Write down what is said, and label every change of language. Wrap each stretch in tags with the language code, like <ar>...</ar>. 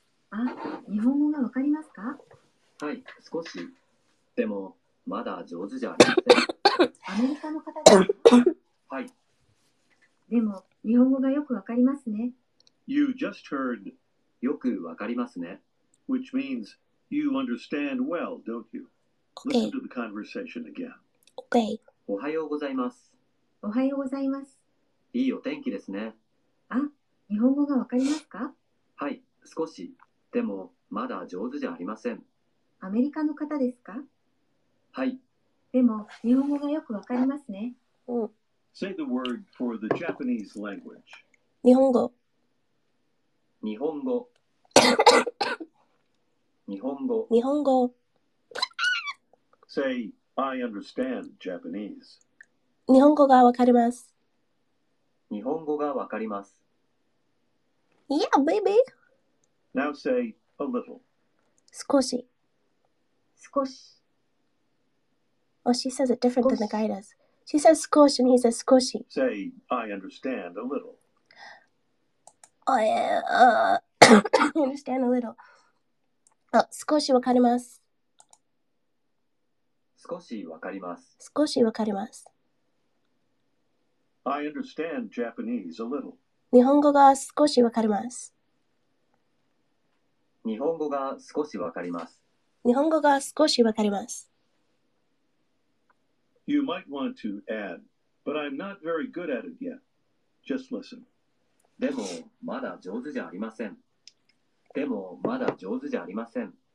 <ja>あ、日本語がわかりますか？はい、少し。でも、まだ上手じゃありません。アメリカの方ですか？はい。でも、日本語がよくわかりますね。</ja> <en>You just heard</en> <ja>よくわかりますね。</ja> <en>Which means you understand well, don't you? Okay. Listen to the conversation again. Okay.</en> <ja>おはようございます。おはようございます。いいお天気ですね。あ、日本語がわかりますか？はい、少し。でも、まだ上手じゃありません。アメリカの方ですか？はい。でも、日本語がよくわかりますね。うん。</ja> <en>Say the word for the Japanese language.</en> <ja>日本語。日本語。日本語。日本語。</ja> <en>Say, I understand Japanese.</en> <ja>日本語がわかります。日本語がわかります。</ja> <en>Yeah, baby! Now say a little.</en> <ja>少し少し</ja> <en>Oh, she says it different than the guy does. She says 少し and he says 少し Say, I understand a little. I understand a little.</en> <ja>少しわかります少しわかります少しわかります</ja> <en>I understand Japanese a little.</en> <ja>日本語が少しわかります日本語が少しわかります。日本語が少しわかります。</ja> <en>You might want to add, but I'm not very good at it yet. Just listen.</en> <ja>でも、まだ上手じゃありません。でも、まだ上手じゃありません。</ja>